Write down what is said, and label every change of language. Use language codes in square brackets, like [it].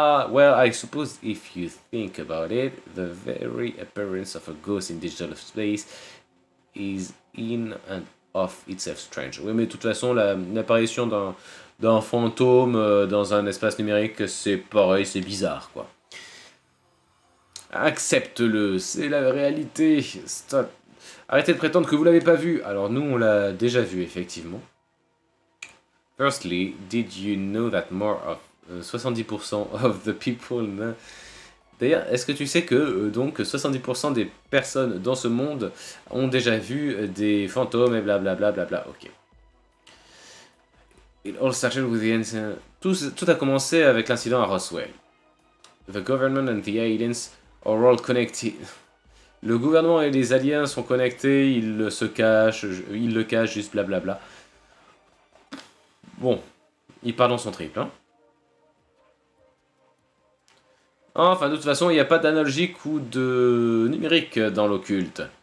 [en] Well, I suppose if you think about it, the very appearance of a ghost in digital space is in and of itself strange. [fr] Oui, mais de toute façon, l'apparition d'un fantôme dans un espace numérique, c'est pareil, c'est bizarre, quoi. Accepte-le, c'est la réalité. Stop. Arrêtez de prétendre que vous l'avez pas vu. Alors nous, on l'a déjà vu, effectivement. [en] Firstly, did you know that more of 70% of the people. [fr] D'ailleurs, est-ce que tu sais que donc 70% des personnes dans ce monde ont déjà vu des fantômes et blablabla. Ok. [en] It all started with the incident. [fr] Tout a commencé avec l'incident à Roswell. [en] The government and the aliens are all connected. [fr] Le gouvernement et les aliens sont connectés, ils le cachent juste blablabla. Bon, Il part dans son triple. Hein. Enfin, de toute façon, il n'y a pas d'analogique ou de numérique dans l'occulte.